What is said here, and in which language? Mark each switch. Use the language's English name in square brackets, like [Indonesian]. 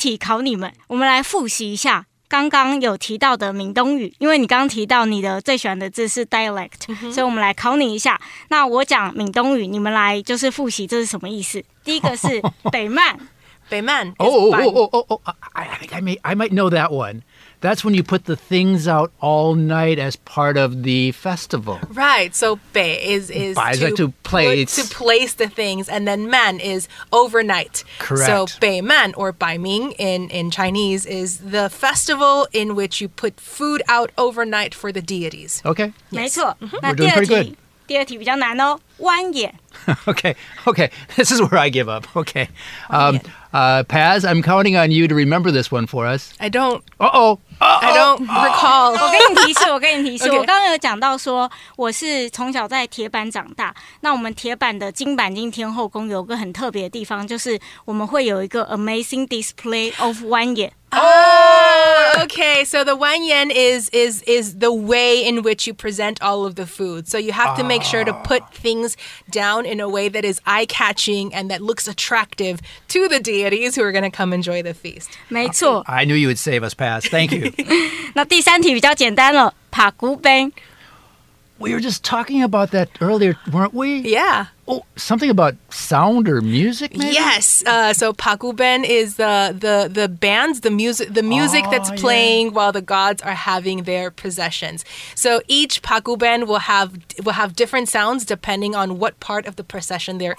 [Chinese] 在回答这个问题之前，我想要先出题考你们。我们来复习一下。刚刚有提到的闽东语，因为你刚刚提到你的最喜欢的字是dialect， mm-hmm. 所以我们来考你一下。那我讲闽东语，你们来就是复习这是什么意思。第一个是北曼，北曼。 [English] I might know that one. That's when you put the things out all night as part of the festival. Right. So, 北 is to, like to, place. To place the things. And then 慢 is overnight. Correct. So, 北慢 or 摆明 in Chinese is the festival in which you put food out overnight for the deities. Okay. Yes. [Chinese] 没错. [English] Mm-hmm. We're doing pretty good. [Chinese] 第二题比较难哦, 蜿蜒. [English] Okay. Okay. This is where I give up. Okay. Paz, I'm counting on you to remember this one for us. I don't. Uh-oh. Uh-oh. I don't recall. [Chinese] 我给你提示。Okay. 我刚刚有讲到说我是从小在铁板长大。那我们铁板的金板金天后宫有个很特别的地方， 就是我们会有一个 [English] amazing display of [Chinese] 蜿蜒。 [English] Oh, okay. So the wanyan is the way in which you present all of the food. So you have to make sure to put things down in a way that is eye-catching and that looks attractive to the deities who are going to come enjoy the feast. [Chinese] 没错. [English] I knew you would save us, Paz. Thank you. [Chinese] 那第三题比较简单了, 爬古冰。 [English] We were just talking about that earlier, weren't we? Yeah. Oh, something about sound or music, maybe? Yes. So Pakuben is the bands, the music that's playing while the gods are having their processions. So each Pakuben will have different sounds depending on what part of the procession they're in.